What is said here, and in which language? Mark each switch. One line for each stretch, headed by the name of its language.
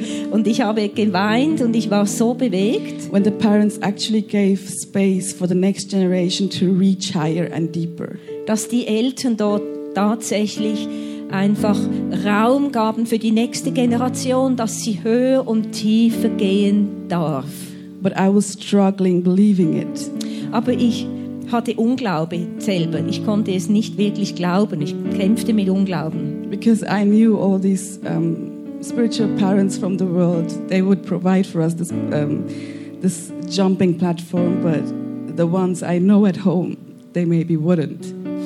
German: Und ich habe geweint und ich war so bewegt.
English: When the parents actually gave space for the next generation to reach higher and deeper.
German: Dass die Eltern dort tatsächlich einfach Raum gaben für die nächste Generation, dass sie höher und tiefer gehen darf.
English: But I was struggling believing it.
German: Aber ich hatte Unglaube selber. Ich konnte es nicht wirklich glauben. Ich kämpfte mit Unglauben.
English: Because I knew all these spiritual parents from the world, they would provide for us this this jumping platform, but the ones I know at home, they maybe wouldn't.